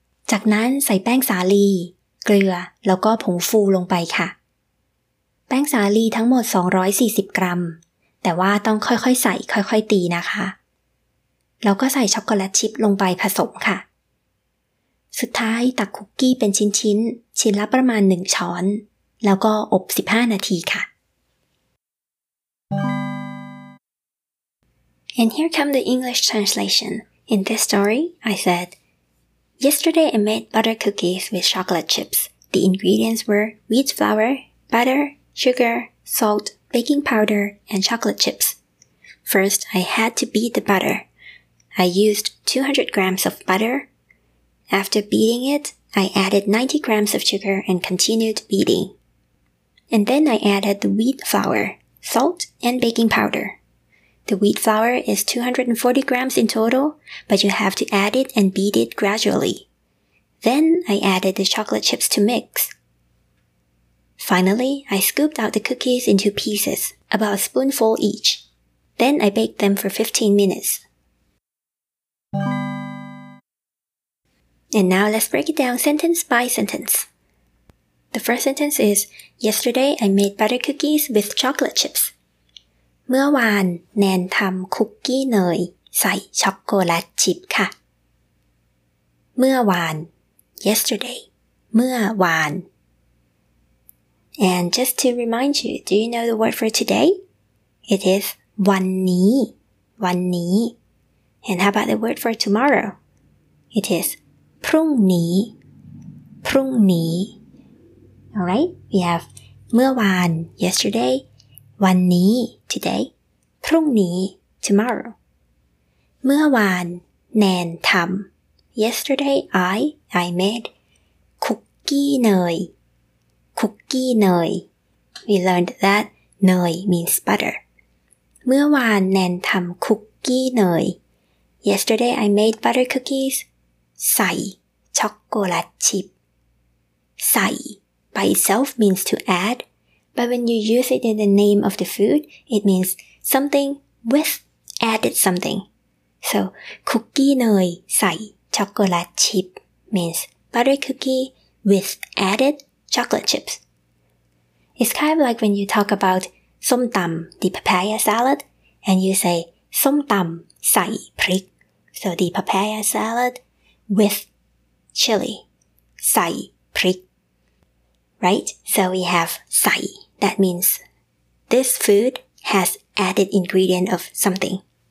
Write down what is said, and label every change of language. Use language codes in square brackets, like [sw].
[th] จากนั้นใส่แป้งสาลีเกลือแล้วก็ผงฟูลงไปค่ะแป้งสาลีทั้งหมด 240 กรัมแต่ว่าต้องค่อยๆใส่ค่อยๆตีนะคะแล้วก็ใส่ช็อกโกแลตชิพลงไปผสมค่ะ สุดท้ายตักคุกกี้เป็นชิ้นๆชิ้นละประมาณ 1 ช้อนแล้วก็อบ 15 นาทีค่ะ [en] And here come the English translation. In this story, I said, Yesterday I made butter cookies with chocolate chips. The ingredients were wheat flour, butter, sugar, salt, baking powder, and chocolate chips. First, I had to beat the butter. I used 200 grams of butter. After beating it, I added 90 grams of sugar and continued beating. And then I added the wheat flour, salt, and baking powder. The wheat flour is 240 grams in total, but you have to add it and beat it gradually. Then I added the chocolate chips to mix. Finally, I scooped out the cookies into pieces, about a spoonful each. Then I baked them for 15 minutes. And now let's break it down sentence by sentence. The first sentence is, Yesterday I made butter cookies with chocolate chips. [th] เมื่อวานแนนทำคุกกี้เนยใส่ช็อกโกแลตชิพค่ะ. เมื่อวาน, [en] yesterday, [th] เมื่อวาน. [en] And just to remind you, do you know the word for today? It is [th] วันนี้, วันนี้. [en] And how about the word for tomorrow? It is [th] พรุ่งนี้, พรุ่งนี้. [en] Alright, we have [th] เมื่อวาน, [en] yesterday, [th] วันนี้, [en] today, [th] พรุ่งนี้, [en] tomorrow. [th] เมื่อวานแนนทำ, [en] yesterday I made [th] คุกกี้เนย, คุกกี้เนย. [en] We learned that เนย means butter. [th] เมื่อวานแนนทำคุกกี้เนย, [en] yesterday I made butter cookies, [th] ใส่. ช็อกโกแลตชิป ใส่, [en] by itself means to add, but when you use it in the name of the food, it means something with added something. So, [th] คุกกี้เนยใส่ช็อกโกแลตชิป [en] means butter cookie with added chocolate chips. It's kind of like when you talk about ส้มตำ, the papaya salad, and you say [th] ส้มตำใส่พริก. [en] So, the papaya salad with chili, [th] sai prik, [en] right? So we have sai, that means this food has added ingredient of something.